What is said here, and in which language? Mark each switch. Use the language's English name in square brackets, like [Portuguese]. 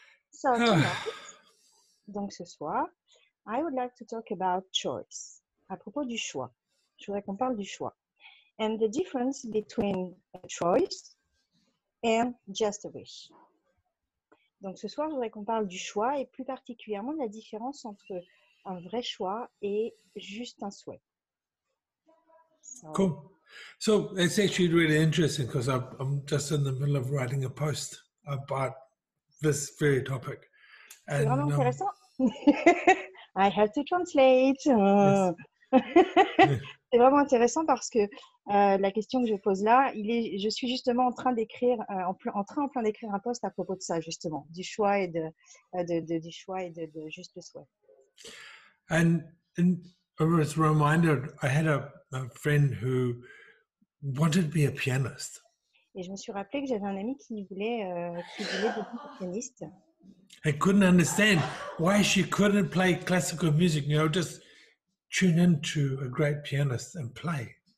[English] So, tonight, [French] donc ce soir, [English] I would like to talk about choice. [French] À propos du choix. Je voudrais qu'on parle du choix. [English] And the difference between a choice and just a wish. [French] Donc ce soir, je voudrais qu'on parle du choix et plus particulièrement de la différence entre un vrai choix et juste un souhait. [English] Cool. So it's actually really interesting because I'm just in the middle of writing a post about this very topic. [French] C'est vraiment intéressant. [English] I have to translate. Yes. [French] C'est vraiment intéressant parce que la question que je pose là, je suis justement en train d'écrire, en plein d'écrire un post à propos de ça justement, du choix et du choix et de juste souhait. [English] And as a reminder, I had a friend who wanted to be a pianist. [French] Et je me suis rappelé que j'avais un ami qui voulait devenir pianiste. [English] I couldn't understand why she couldn't play classical music. You know, just tune into a great pianist and play.